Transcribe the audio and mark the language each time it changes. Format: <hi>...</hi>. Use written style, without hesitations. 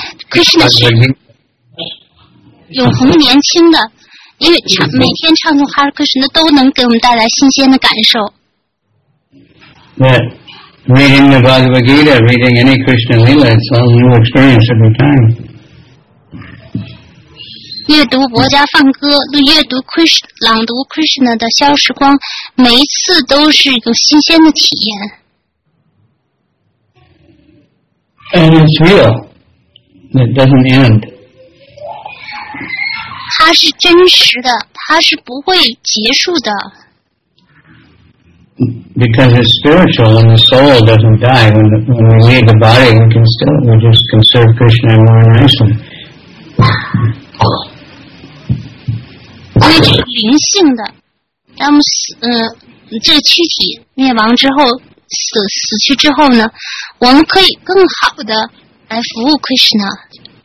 <zh>Krishna 是永恒年轻的，因为唱每天唱诵哈尔克什的都能给我们带来新鲜的感受。</zh> <en>Yeah, reading the Bhagavad Gita, reading any Krishna Lila, it's all a new experience every time.</en> <zh>阅读《博伽梵歌》，阅读 Krishna， 朗读 Krishna 的消时光，每一次都是有新鲜的体验。</zh> <en>And it's real. It doesn't end.</en> <zh>它是真实的，它是不会结束的。</zh> <en>Because it's spiritual and the soul doesn't die. When we leave the body, we can still, we just conserve Krishna more nicely.</en> <zh>所以这是灵性的。当我们这个躯体灭亡之后，死去之后呢，我们可以更好的来服务 Krishna。</zh>